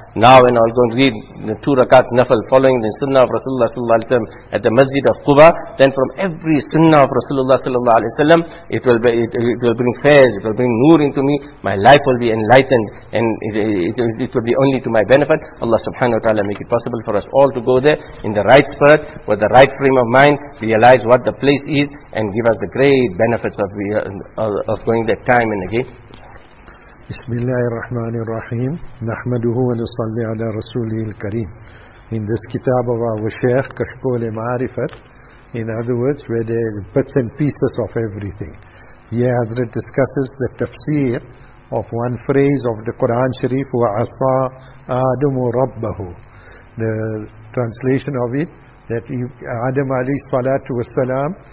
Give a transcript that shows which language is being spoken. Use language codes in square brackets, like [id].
[en] Now, when I'll go and read the two rakats nafl following the sunnah of Rasulullah sallallahu alaihi wasallam at the masjid of Quba, then from every sunnah of Rasulullah sallallahu alaihi wasallam, it will bring fairs, it will bring noor into me, my life will be enlightened, and it will be only to my benefit. Allah subhanahu wa ta'ala make it possible for us all to go there in the right spirit, with the right frame of mind, realize what the place is, and give us the great benefits of going there time and again. [ar] بسم الله الرحمن الرحيم نحمده ونصلي على رسوله الكريم. [en] In this kitab of our Shaykh, Kashkol Ma'arifat, in other words, where the bits and pieces of everything. Here Hazrat discusses the tafsir of one phrase of the Quran Sharif, [ar] وَعَصَى آدَمُ رَبَّهُ. [en] The translation of it, that Adam alayhi salatu wasalam